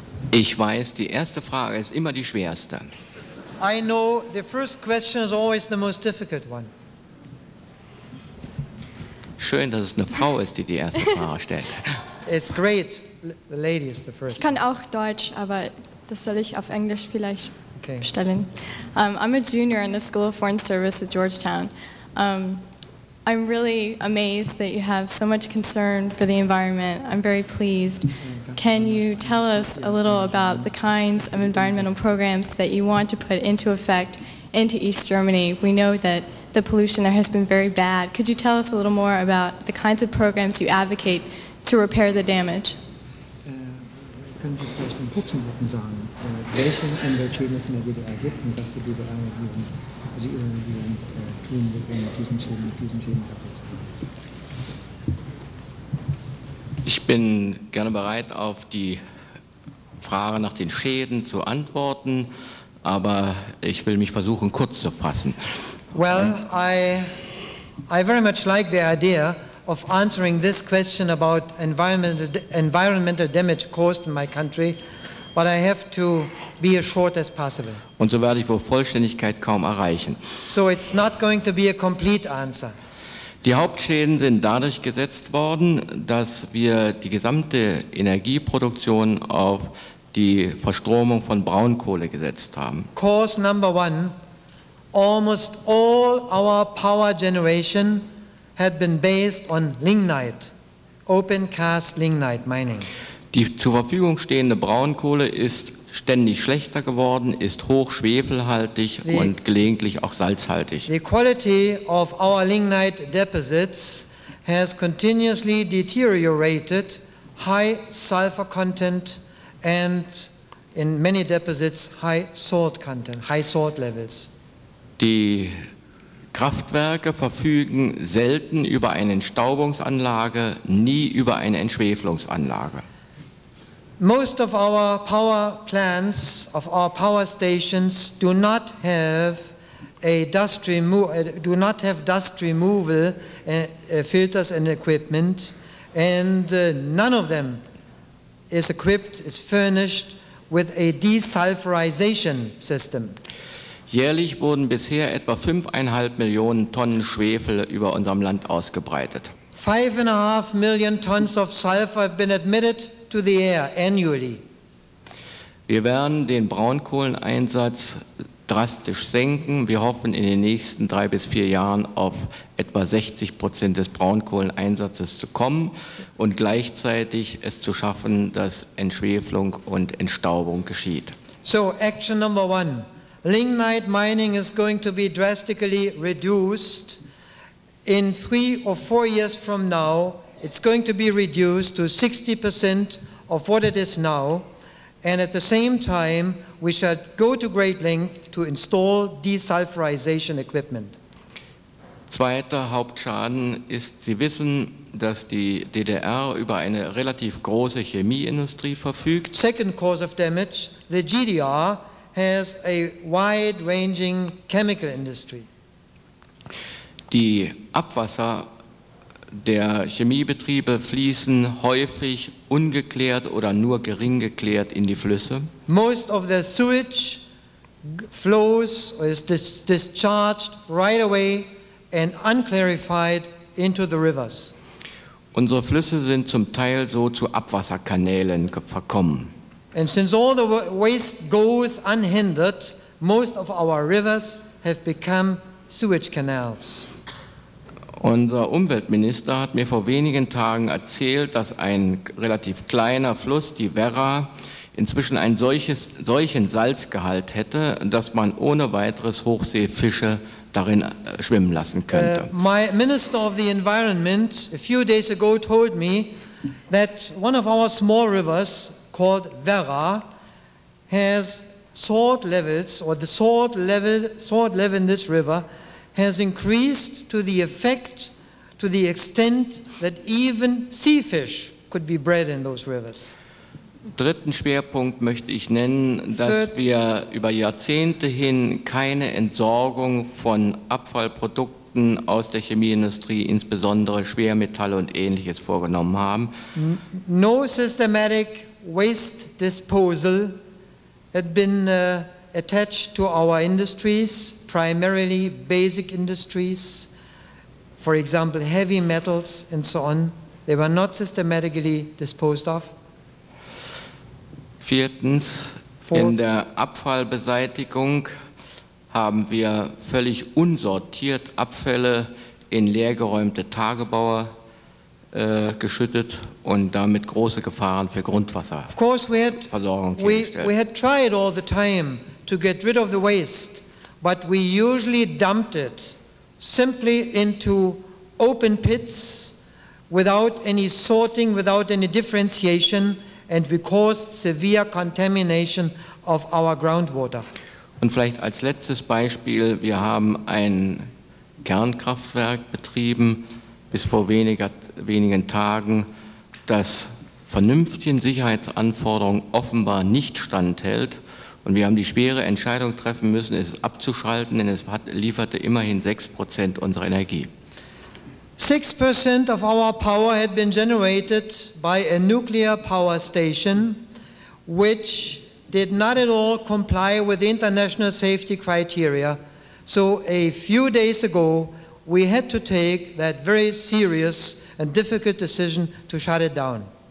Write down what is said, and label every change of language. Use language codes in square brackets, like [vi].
[de] Ich weiß, die erste Frage ist immer die schwerste. [en] I know the first question is always the most difficult one. [de] Schön, dass es eine Frau ist, die erste Frage stellt. [en] It's great, the lady is the first. [de] Ich kann auch Deutsch, aber das soll ich auf Englisch vielleicht stellen. [en] I'm a junior in the School of Foreign Service at Georgetown. I'm really amazed that you have so much concern for the environment. I'm very pleased. Can you tell us a little about the kinds of environmental programs that you want to put into effect into East Germany? We know that the pollution there has been very bad. Could you tell us a little more about the kinds of programs you advocate to repair the damage? [de] Können Sie vielleicht in kurzen Worten sagen, welche Umweltschäden es in der DDR gibt und was die DDR-Regierung tun wird, wenn diesen Schäden mit diesen Schäden verbessert? Ich bin gerne bereit, auf die Frage nach den Schäden zu antworten, aber ich will mich versuchen, kurz zu fassen. [en] Well, I very much like the idea of answering this question about environmental damage caused in my country, but I have to be as short as possible. [de] Und so werde ich wohl Vollständigkeit kaum erreichen. [en] So it's not going to be a complete answer. [de] Die Hauptschäden sind dadurch gesetzt worden, dass wir die gesamte Energieproduktion auf die Verstromung von Braunkohle gesetzt haben. [en] Cause number one, almost all our power generation had been based on lignite, open cast lignite mining. [de] Die zur Verfügung stehende Braunkohle ist ständig schlechter geworden, ist hoch schwefelhaltig und gelegentlich auch salzhaltig. [en] The quality of our lignite deposits has continuously deteriorated, high sulfur content and in many deposits high salt content, high salt levels. [de] Die Kraftwerke verfügen selten über eine Entstaubungsanlage, nie über eine Entschwefelungsanlage. [en] Most of our power plants, of our power stations, do not have dust removal filters and equipment, and none of them is equipped, is furnished with a desulfurization system. [de] Jährlich wurden bisher etwa 5.5 Millionen Tonnen Schwefel über unserem Land ausgebreitet. [en] 5.5 million tons of sulfur have been admitted to the air annually. [de] Wir werden den Braunkohleneinsatz drastisch senken. Wir hoffen in den nächsten 3 bis 4 Jahren auf etwa 60% des Braunkohleneinsatzes zu kommen und gleichzeitig es zu schaffen, dass Entschwefelung und Entstaubung geschieht. [en] So, action number one. Lignite mining is going to be drastically reduced in 3 or 4 years from now. It's going to be reduced to 60% of what it is now. And at the same time, we should go to great length to install desulfurization equipment. [de] Zweiter Hauptschaden ist, Sie wissen, dass die DDR über eine relativ große Chemieindustrie verfügt. [en] Second cause of damage, the GDR has a wide-ranging chemical industry. [de] Die Abwasser der Chemiebetriebe fließen häufig ungeklärt oder nur gering geklärt in die Flüsse. [en] Most of the sewage flows or is discharged right away and unclarified into the rivers. [de] Unsere Flüsse sind zum Teil so zu Abwasserkanälen verkommen. [en] And since all the waste goes unhindered, most of our rivers have become sewage canals. [de] Unser Umweltminister hat mir vor wenigen Tagen erzählt, dass ein relativ kleiner Fluss, die Werra, inzwischen ein solchen Salzgehalt hätte, dass man ohne weiteres Hochseefische darin schwimmen lassen könnte. [en] My Minister of the Environment a few days ago told me that one of our small rivers called Werra has salt levels, or the salt level in this river has increased to the extent that even sea fish could be bred in those rivers. [de] Dritten Schwerpunkt möchte ich nennen, dass wir über Jahrzehnte hin keine Entsorgung von Abfallprodukten aus der Chemieindustrie, insbesondere Schwermetalle und Ähnliches, vorgenommen haben. [en] No systematic waste disposal had been attached to our industries, primarily basic industries, for example heavy metals and so on. They were not systematically disposed of. [de] Viertens, in der Abfallbeseitigung haben wir völlig unsortiert Abfälle in leergeräumte Tagebaue geschüttet und damit große Gefahren für Grundwasserversorgung gestellt. [en] We had tried all the time to get rid of the waste, but we usually dumped it simply into open pits without any sorting, without any differentiation, and we caused severe contamination of our groundwater. [de] Und vielleicht als letztes Beispiel, wir haben ein Kernkraftwerk betrieben bis vor wenigen Tagen, das vernünftigen Sicherheitsanforderungen offenbar nicht standhält. Und wir haben die schwere Entscheidung treffen müssen, es abzuschalten, denn es lieferte immerhin 6% unserer Energie. [en] 6% of our power had been generated by a nuclear power station, which did not at all comply with the international safety criteria. So a few days ago, we had to take that very serious and difficult decision to shut it down.